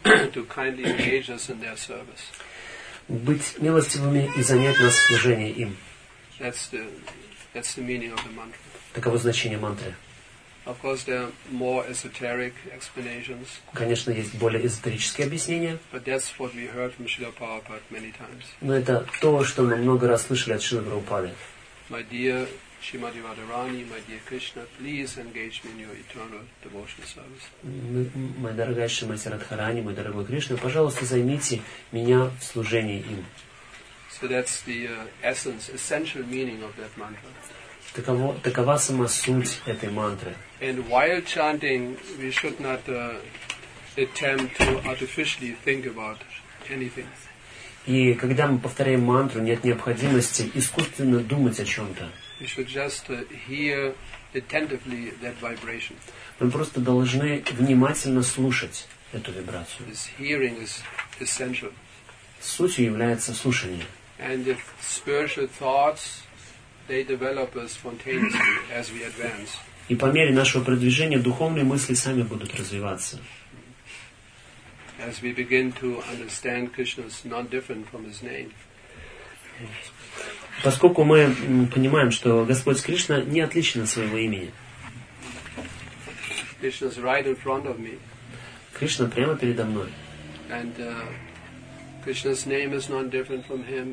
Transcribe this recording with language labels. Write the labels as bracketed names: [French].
[English] To kindly engage us in their service. [Russian] Быть милостивыми и занять нас в служении им. [English] That's the meaning of the mantra. [Russian] Таково значение мантры. [English] Of course, there are more esoteric explanations. [Russian] Конечно, есть более эзотерические объяснения. [English] But that's what we heard from Srila Prabhupada many times. [Russian] Но это то, что мы много раз слышали от Шрилы Прабхупады. [English] My dear Shrimati Radharani, my dear Krishna, please engage me in your eternal devotional service. [Russian] Моя дорогая Шримати Радхарани, мой дорогой Кришна, пожалуйста, займите меня в служении им. [English] So that's the essence, essential meaning of that mantra. [Russian] Такова сама суть этой мантры. [English] And while chanting, we should not attempt to artificially think about anything. [Russian] И когда мы повторяем мантру, нет необходимости искусственно думать о чем-то. [English] We should just hear attentively that vibration. [Russian] Мы просто должны внимательно слушать эту вибрацию. [English] This hearing is essential. [Russian] Сутью является слушание. [English] And if spiritual thoughts they develop spontaneously as we advance. [Russian] И по мере нашего продвижения духовные мысли сами будут развиваться. [English] As we begin to understand Krishna's non-different from his name. [Russian] Поскольку мы понимаем, что Господь Кришна не отличен от своего имени. [English] Krishna's right in front of me. [Russian] Кришна прямо передо мной. [English] And Krishna's name is non-different from him.